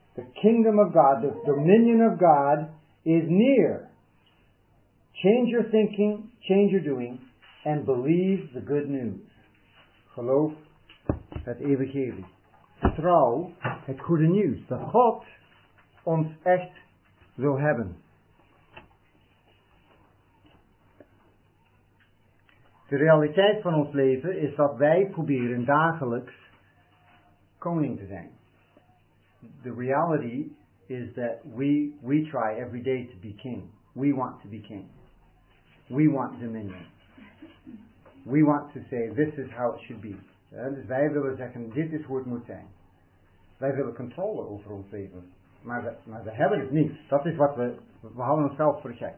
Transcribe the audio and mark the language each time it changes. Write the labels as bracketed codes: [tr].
[en] The kingdom of God, the dominion of God is near. Change your thinking, change your doing, and believe the good news. [nl] Geloof het evangelie. Vertrouw het goede nieuws. Dat God ons echt wil hebben. De realiteit van ons leven is dat wij proberen dagelijks koning te zijn. [en] The reality is that we try every day to be king. We want to be king. We want dominion. We want to say, this is how it should be. [nl] Dus wij willen zeggen, dit is hoe het moet zijn. Wij willen controle over ons leven. Maar we hebben het niet. Dat is wat we houden onszelf voor de gek.